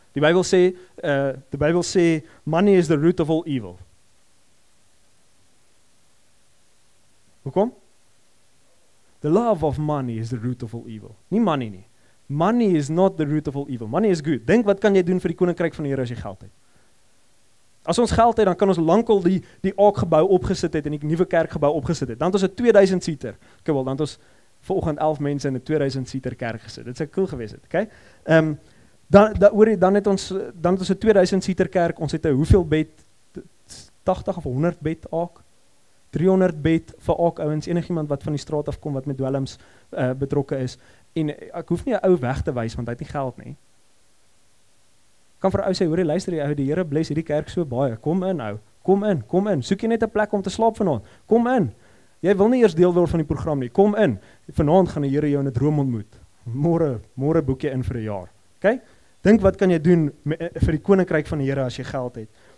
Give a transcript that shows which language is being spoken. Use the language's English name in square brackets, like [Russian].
[Afrikaans] Die Bybel sê, [English] money is the root of all evil. Hoekom? The love of money is the root of all evil. [Afrikaans] Nie money nie. [English] Money is not the root of all evil. Money is good. [Afrikaans] Dink, wat kan jy doen vir die koninkryk van die Here as jy geld het? As ons geld het, dan kan ons lank al die aakgebouw opgesit het en die nuwe kerkgebouw opgesit het. Dan het ons 'n 2000 seater. Okay, wel, dan het ons vanoggend 11 mense in 'n 2000 seater kerk gesit. Dit sou cool gewees het, okay? Dan het ons 'n 2000 seater kerk. Ons het 'n hoeveel bed? 80 of 100 bed aak? 300 bed vir aak ouens, enigiemand wat van die straat afkom wat met dwelms betrokke is. En ek hoef nie een ou weg te wys, want hy het nie geld nie. Ek kan vir ou sê, hoor jy, luister jy ou, die Here bless hierdie kerk so baie, kom in, soek jy net een plek om te slaap vanavond, kom in, jy wil nie eers deel word van die program nie, kom in, vanavond gaan die Here jou in die droom ontmoet, morgen boek jy in vir 'n jaar, okay? Dink wat kan jy doen vir die koninkryk van die Here as jy geld het.